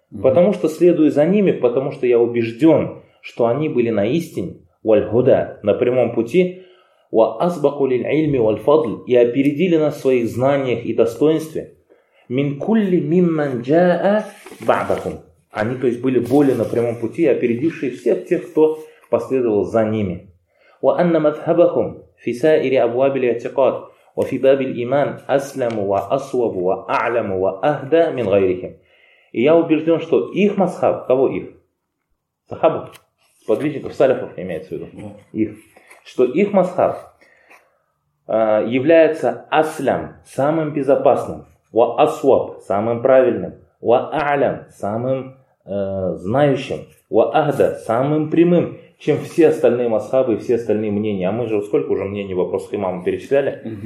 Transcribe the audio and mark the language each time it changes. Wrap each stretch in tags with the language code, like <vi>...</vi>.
<ru>Потому что следую за ними, потому что я убежден, что они были на истине, вальхуда, на прямом пути,</ru> <ar>وأسبقوا للعلم والفضل</ar> <ru>и опередили нас в своих знаниях и достоинстве</ru> <ar>من كل ممن جاء بعدكم.</ar> <ru>Они, то есть, были более на прямом пути, опередившие всех тех, кто последовал за ними.</ru> <ar>وأن مذهبهم في سائر أبواب الاعتقاد وفي باب الإيمان أسلم وأصوب وأعلم وأهدى من غيرهم.</ar> <ru>И я убежден, что их мазхаб, кого их? Сахабов, подвижников, саляфов имеется в виду. Их. Что их мазхаб является аслям, самым безопасным, ва асваб, самым правильным, ва аалям, самым знающим, ва ахда, самым прямым, чем все остальные мазхабы и все остальные мнения. А мы же сколько уже мнений в вопросах имама перечисляли?</ru>